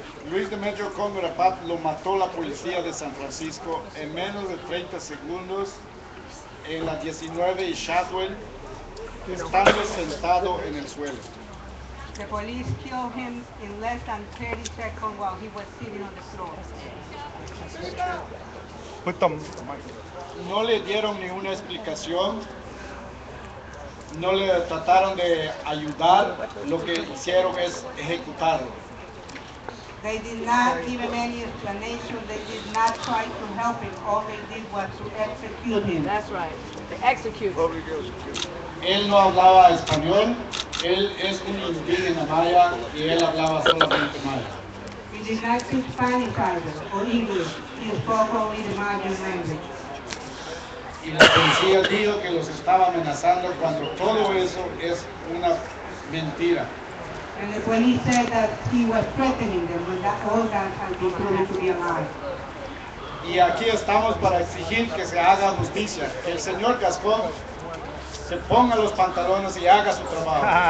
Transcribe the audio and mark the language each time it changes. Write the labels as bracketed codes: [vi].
[es] Luis Demetrio Gongora Pat lo mató la policía de San Francisco en menos de 30 segundos en la 19 y Shadwell, estando sentado en el suelo. [en] The police killed him in less than 30 seconds while he was sitting on the floor. Put them. [es] No le dieron ni una explicación. No le trataron de ayudar. Lo que hicieron es ejecutarlo. [en] They did not give him any explanation. They did not try to help him. All they did was to execute him. That's right. To execute. [es] Él no hablaba español. Él es un indígena maya y él hablaba solamente maya. [en] He did not speak Spanish either, or English. He spoke only the Mayan language. [es] Y la policía dijo que los estaba amenazando cuando todo eso es una mentira. [en] And the police said that he was threatening them when that all that had been proven to be a lie. [es] Y aquí estamos para exigir que se haga justicia. Que el señor Gascon se ponga los pantalones y haga su trabajo.